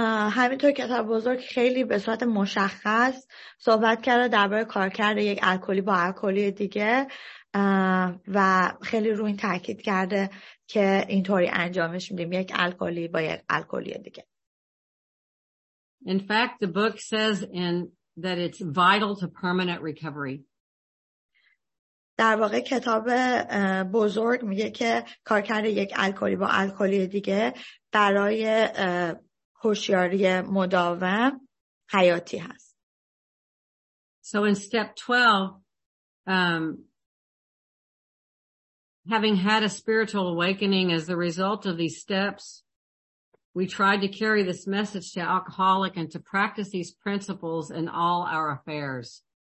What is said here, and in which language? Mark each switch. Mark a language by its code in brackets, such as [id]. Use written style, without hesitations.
[fa] همینطور کتاب بزرگ خیلی به صورت مشخص صحبت کرده درباره کارکرد یک الکلی با الکلی دیگه و خیلی روی این تاکید کرده که اینطوری انجامش میدیم، یک الکلی با یک الکلی دیگه. [en] In fact, the book says that it's vital to permanent recovery. [fa] در واقع کتاب بزرگ میگه که کارکرد یک الکلی با الکلی دیگه برای هوشیاری مداوم حیاتی هست. [en] So in step 12, having had a spiritual awakening as the result of these steps, we tried to carry this message to alcoholic and to practice these principles in all our affairs.